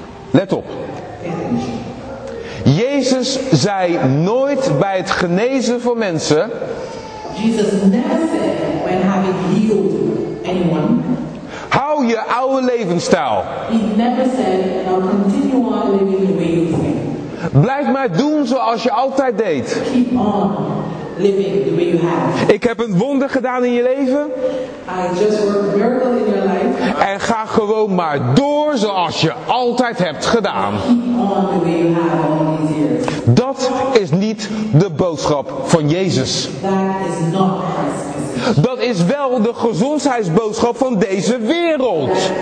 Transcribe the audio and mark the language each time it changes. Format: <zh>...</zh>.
<nl>Let op. Jezus zei nooit bij het genezen van mensen.</nl> <en>Jesus never said when having healed anyone.</en> <nl>Hou je oude levensstijl.</nl> <en>He never said, I'll continue on living the way you think.</en> <nl>Blijf maar doen zoals je altijd deed.</nl> <en>Keep on living the way you have.</en> <nl>Ik heb een wonder gedaan in je leven.</nl> <en>I just worked a miracle in your life.</en> <nl>En ga gewoon maar door zoals je altijd hebt gedaan.</nl> <en>Keep on the way you have all these years.</en> <nl>Dat is niet de boodschap van Jezus.</nl> <en>That is not Christ.</en> <nl>Dat is wel de gezondheidsboodschap van deze wereld.</nl>